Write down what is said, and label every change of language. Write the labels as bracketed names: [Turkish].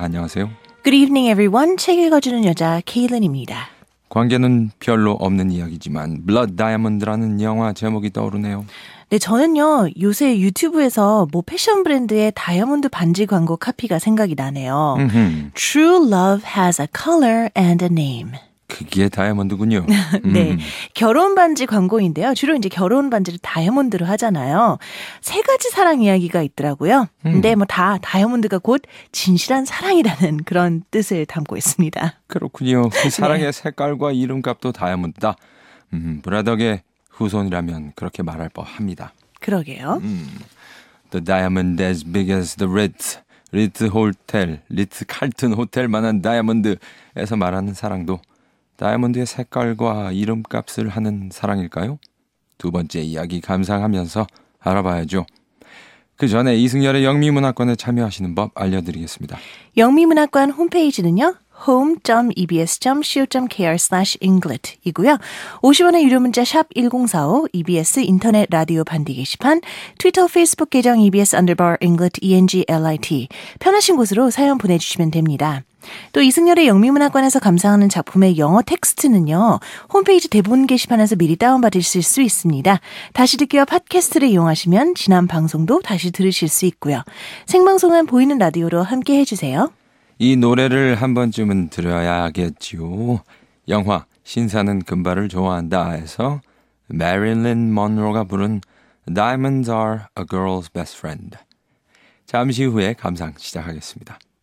[Korean] 안녕하세요. [English] Good evening, everyone. [Korean] 책 읽어주는 여자 케일린입니다. 관계는 별로 없는 이야기지만 Blood Diamond라는 영화 제목이 떠오르네요. 네, 저는요 요새 유튜브에서 뭐 패션 브랜드의 다이아몬드 반지 광고 카피가 생각이 나네요. [English] True love has a color and a name. [Korean] 그게 다이아몬드군요. 네. 결혼 반지 광고인데요. 주로 이제 결혼 반지를 다이아몬드로 하잖아요. 세 가지 사랑 이야기가 있더라고요. 근데 뭐 다 다이아몬드가 곧 진실한 사랑이라는 그런 뜻을 담고 있습니다. 그렇군요. 그 사랑의 네. 색깔과 이름값도 다이아몬드다. 브래덕의 후손이라면 그렇게 말할 법합니다. 그러게요. [English] The diamond as big as the Ritz. [Korean] 리츠 호텔, 리츠 칼튼 호텔만한 다이아몬드에서 말하는 사랑도 다이아몬드의 색깔과 이름값을 하는 사랑일까요? 두 번째 이야기 감상하면서 알아봐야죠. 그 전에 이승열의 영미문학관에 참여하시는 법 알려드리겠습니다. 영미문학관 홈페이지는요. home.ebs.co.kr/englet이고요. 50원의 유료 문자 샵 1045, EBS 인터넷 라디오 반디 게시판, 트위터, 페이스북 계정 EBS underbar englet englit. 편하신 곳으로 사연 보내주시면 됩니다. 또 이승열의 영미문학관에서 감상하는 작품의 영어 텍스트는요. 홈페이지 대본 게시판에서 미리 다운받으실 수 있습니다. 다시 듣기와 팟캐스트를 이용하시면 지난 방송도 다시 들으실 수 있고요. 생방송은 보이는 라디오로 함께 해주세요. 이 노래를 한 번쯤은 들어야겠지요. 영화 신사는 금발을 좋아한다에서 Marilyn Monroe가 부른 Diamonds Are a Girl's Best Friend. 잠시 후에 감상 시작하겠습니다.